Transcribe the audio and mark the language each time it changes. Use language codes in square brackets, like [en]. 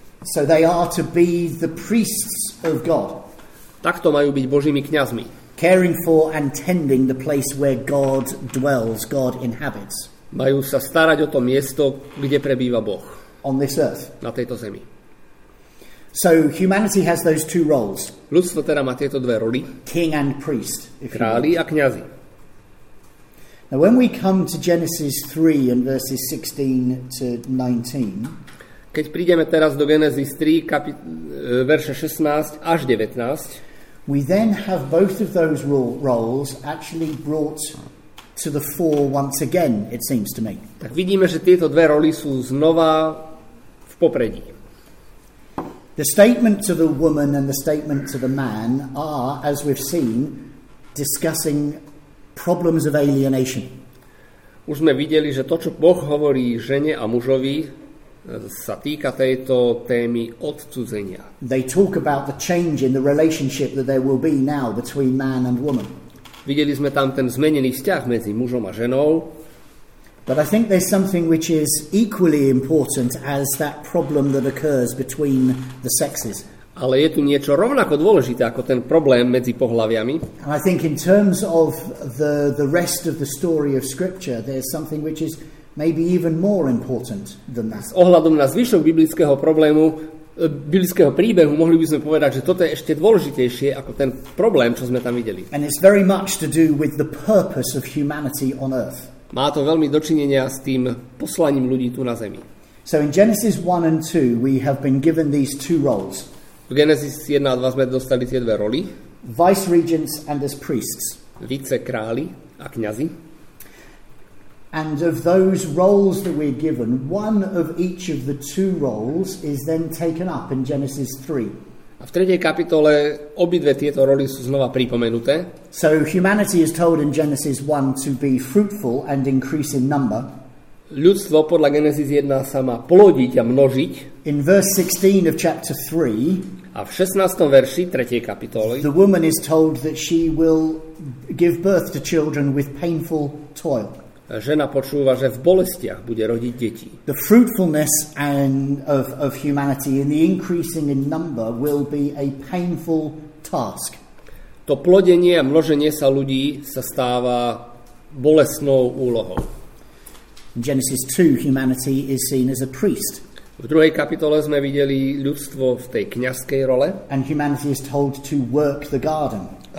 [en] So they are to be the priests of God. [sk] Takto majú byť Božími kňazmi. [en] Caring for and tending the place where God dwells, God inhabits. [sk] majú sa starať o to miesto, kde prebýva Boh. [en] On this earth. [sk] Na tejto zemi. [en] So humanity has those two roles. [sk] Ľudstvo teda má tieto dve roly. [en] King and priest. [sk] Králi a kňazi. [en] Now when we come to Genesis 3 and verses 16 to 19. [sk] Keď prídeme teraz do Genesis 3 verše 16 až 19. [en] We then have both of those roles actually brought to the fore once again, it seems to me. [sk] Tak vidíme, že tieto dve roly sú znova v popredí. [en] The statement to the woman and the statement to the man are, as we've seen, discussing problems of alienation. [sk] Už sme videli, že to, čo Boh hovorí žene a mužovi, sa týka tejto témy odcudzenia. [en] They talk about the change in the relationship that there will be now between man and woman. [sk] Videli sme tam ten zmenený vzťah medzi mužom a ženou. [en] But I think there's something which is equally important as that problem that occurs between the sexes. [sk] Ale je tu niečo rovnako dôležité ako ten problém medzi pohlaviami. [en] And I think in terms of the rest of the story of scripture there's something which is maybe even more important than that. [sk] S ohľadom na zvyšok biblického problému, biblického príbehu, mohli by sme povedať, že toto je ešte dôležitejšie ako ten problém, čo sme tam videli. [en] And it's very much to do with the purpose of humanity on earth. [sk] Má to veľmi dočinenia s tým poslaním ľudí tu na zemi. [en] So in Genesis 1 and 2 we have been given these two roles. [sk] V Genesis 1 a 2 sme dostali tie dve roly. [en] Vice regents and as priests. [sk] Vice králi a kňazi. [en] And of those roles that we're given, one of each of the two roles is then taken up in Genesis 3. [sk] A v 3. kapitole obidve tieto roly sú znova pripomenuté. [en] So humanity is told in Genesis 1 to be fruitful and increase in number. [sk] Ľudstvo podľa Genesis 1 sa má plodiť a množiť. [en] In verse 16 of chapter 3. [sk] A v 16. verši 3. kapitoly. [en] The woman is told that she will give birth to children with painful toil. [sk] Žena počúva, že v bolestiach bude rodiť deti. [en] The fruitfulness and of humanity in the increasing in number will be a painful task. [sk] To plodenie a množenie sa ľudí sa stáva bolestnou úlohou. [en] In Genesis 2 humanity is seen as a priest. [sk] V 2. kapitole sme videli ľudstvo v tej kňazskej role. [en] And humanity is told to work the garden.